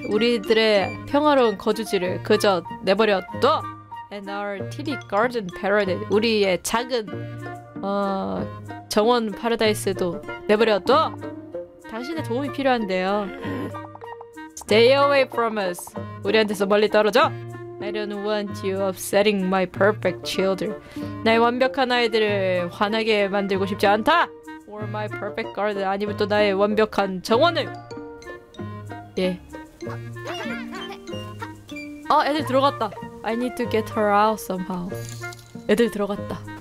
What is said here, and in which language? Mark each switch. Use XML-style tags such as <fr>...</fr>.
<ko>우리들의 평화로운 거주지를 그저 내버려 둬.</ko> <en>And our tiny garden paradise.</en> <ko>우리의 작은 정원 파라다이스도 내버려 둬. 당신의 도움이 필요한데요.</ko> <en>Stay away from us.</en> <ko>우리한테서 멀리 떨어져.</ko> <en>I don't want you upsetting my perfect children.</en> <ko>나의 완벽한 아이들을 화나게 만들고 싶지 않다.</ko> <en>Or my perfect garden.</en> <ko>아니면 또 나의 완벽한 정원을. 예. 아, 애들 들어갔다.</ko> <en>I need to get her out somehow.</en> <ko>애들 들어갔다.</ko>